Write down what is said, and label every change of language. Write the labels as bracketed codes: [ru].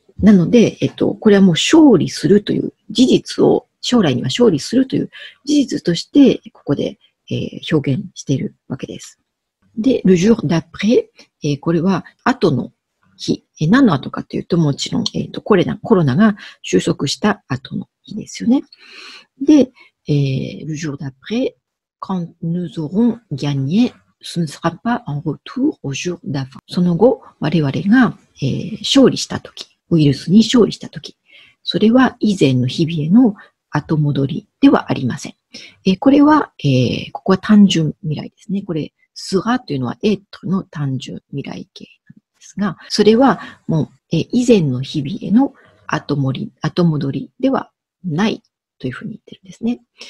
[ja] なので、これはもう勝利するという事実を、将来には勝利するという事実として、ここで、表現しているわけです。で、 [fr] le jour d'après、 [ja] これは後の日。何の後かというと、もちろん、コロナが収束した後の日ですよね。 [fr] で、le jour d'après, quand nous aurons gagné, ce ne sera pas en retour au jour d'avant. [ja] その後、我々が、勝利したとき、ウイルスに勝利したとき、それは以前の日々への後戻りではありません。これは、ここは単純未来ですね。これ、すがというのは、être の単純未来形なんですが、それはもう、以前の日々への後戻りではないというふうに言ってるんですね。